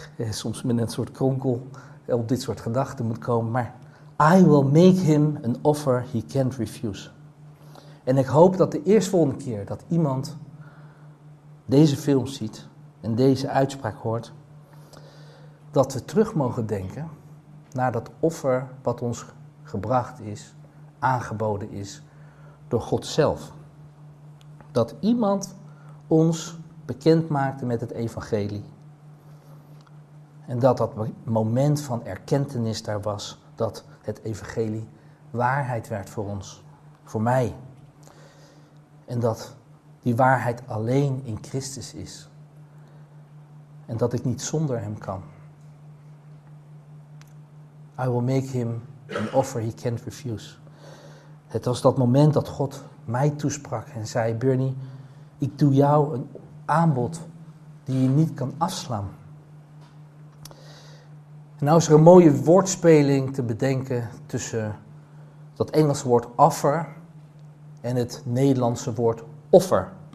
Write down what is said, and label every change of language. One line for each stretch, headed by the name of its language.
Dutch: Soms met een soort kronkel op dit soort gedachten moet komen. Maar
English: I will make him an offer he can't refuse.
Dutch: En ik hoop dat de eerstvolgende keer dat iemand deze film ziet en deze uitspraak hoort, dat we terug mogen denken naar dat offer wat ons gebracht is, aangeboden is door God zelf. Dat iemand ons bekend maakte met het evangelie. En dat dat moment van erkentenis daar was, dat het evangelie waarheid werd voor ons, voor mij. En dat die waarheid alleen in Christus is. En dat ik niet zonder hem kan.
English: I will make him an offer he can't refuse.
Dutch: Het was dat moment dat God mij toesprak en zei, Bernie, ik doe jou een aanbod die je niet kan afslaan. En nou is er een mooie woordspeling te bedenken tussen dat Engelse woord offer en het Nederlandse woord offer.